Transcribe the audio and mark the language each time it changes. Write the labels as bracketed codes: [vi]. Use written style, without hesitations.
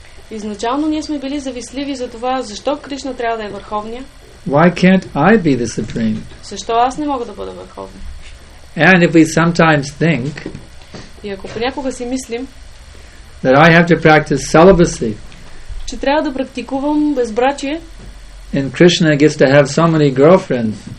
[bg] Изначално ние сме били завистливи за това защо Кришна трябва да е върховния? [en] Why can't I be the supreme? [bg] Защо аз не мога да бъда върховен? [en] And if we sometimes think [bg] И ако понякога си мислим [en] that I have to practice celibacy, [bg] че трябва да практикувам безбрачие, [en] and Krishna gets to have so many girlfriends.